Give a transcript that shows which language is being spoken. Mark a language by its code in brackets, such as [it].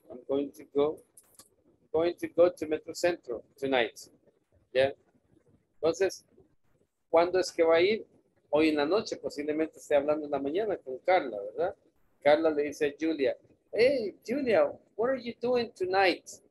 [en] I'm going to go to Metro Centro tonight. [es] Yeah. Entonces, ¿cuándo es que va a ir? Hoy en la noche, posiblemente esté hablando en la mañana con Carla, ¿verdad? Carla le dice a Julia, [en] hey, Julia, what are you doing tonight?